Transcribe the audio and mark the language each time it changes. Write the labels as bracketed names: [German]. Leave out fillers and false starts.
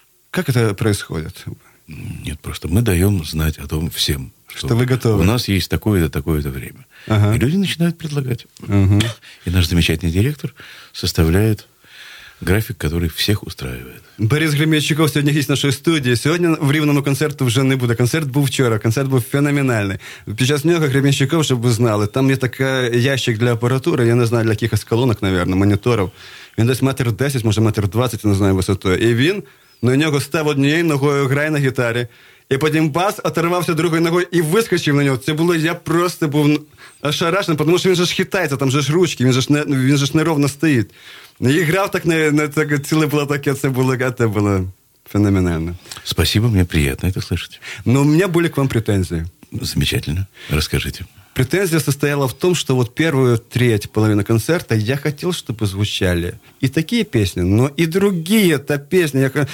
[Russian] Как это происходит? Нет, просто мы даем знать о том всем. Что вы готовы. У нас есть такое-то время. Ага. И люди начинают предлагать. Угу. И наш замечательный директор составляет график, который всех устраивает. Борис Гремячуков сегодня есть в нашей студии. [Ukrainian] Сегодня в Рівному концерту вже не буде. Концерт був вчора, концерт був феноменальний. Під час нього Гремячуков, щоб ви знали, там є такий ящик для апаратури, я не знаю, для якихось колонок, мабуть, моніторів. Він десь 1.10 м, може 1.20 м, не знаю, висотою. І він на нього став однією ногою, грає на гітарі. І потім бас оторвався другою ногою і вискочив на нього. Це було, я просто був ошарашений, тому що він же ж хитається, там же ж ручки, він же ж неровно стоїть. [Russian] И играл так на так, целый платок, это было феноменально. Спасибо, мне приятно это слышать. Но у меня были к вам претензии. Замечательно, расскажите. Претензия состояла в том, что вот первую треть, половину концерта я хотел, чтобы звучали и такие песни, но и другие-то песни.